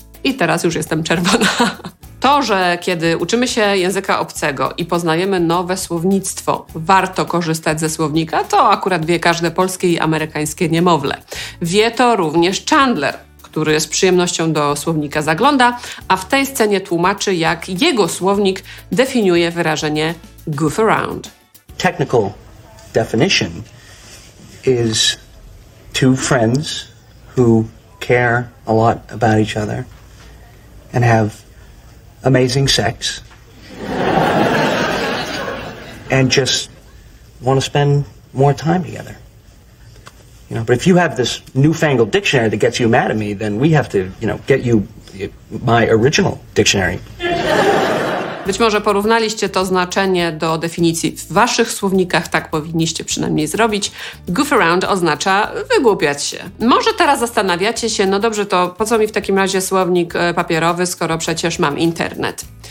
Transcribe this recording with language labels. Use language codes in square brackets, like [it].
[pl] I teraz już jestem czerwona. To, że kiedy uczymy się języka obcego i poznajemy nowe słownictwo, warto korzystać ze słownika, to akurat wie każde polskie i amerykańskie niemowlę. Wie to również Chandler, który z przyjemnością do słownika zagląda, a w tej scenie tłumaczy, jak jego słownik definiuje wyrażenie goof around. [en] Technical definition is two friends who care a lot about each other and have amazing sex and just want to spend more time together. You know, but if you have this newfangled dictionary that gets you mad at me, then we have to, you know, get you my original dictionary. [pl] Być może porównaliście to znaczenie do definicji w waszych słownikach, tak powinniście przynajmniej zrobić. Goof around oznacza wygłupiać się. Może teraz zastanawiacie się, no dobrze, to po co mi w takim razie słownik papierowy, skoro przecież mam internet?